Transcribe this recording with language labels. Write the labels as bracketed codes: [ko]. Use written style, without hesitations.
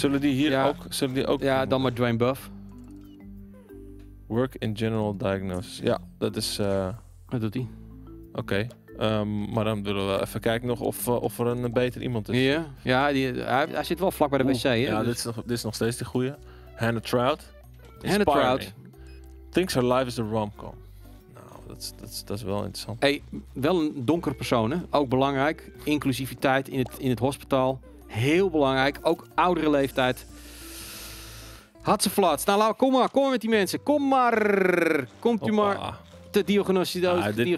[nl] zullen die hier ook... Zullen die ook dan maar Dwayne Buff. [en] Work in general diagnosis. [nl] Ja, dat is... Wat doet hij? Oké, maar dan willen we even kijken nog of er een beter iemand is. Hij zit wel vlak bij de wc. Ja, dus. dit is nog steeds die goeie. Hannah Trout. [en] Inspiring. Hannah Trout. Thinks her life is a rom-com. [nl] Nou, dat is wel interessant. Hey, wel een donkere persoon, hè? Ook belangrijk. Inclusiviteit in het hospitaal. Heel belangrijk. Ook oudere leeftijd. Hatsenflats. Nou, kom maar met die mensen. Kom maar. Komt u maar te diagnosticeren. Ja,